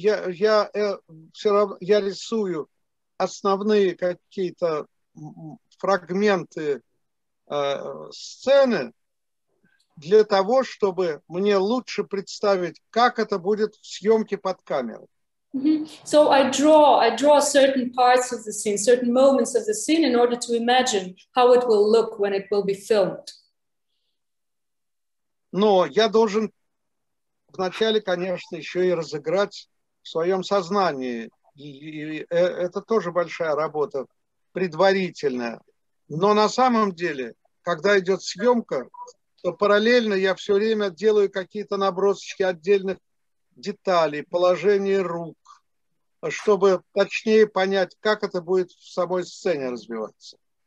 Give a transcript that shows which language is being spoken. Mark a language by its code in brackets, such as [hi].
[ru] И я рисую основные какие-то фрагменты сцены для того, чтобы мне лучше представить, как это будет в съемке под камеру. Mm-hmm. [en] So I draw certain parts of the scene, certain moments of the scene, in order to imagine how it will look when it will be filmed. [ru] Но я должен вначале, конечно, еще и разыграть в своем сознании. И это тоже большая работа, предварительная. Но на самом деле, когда идет съемка, то параллельно я все время делаю какие-то набросочки отдельных деталей, положение рук, чтобы точнее понять, как это будет в самой сцене развиваться.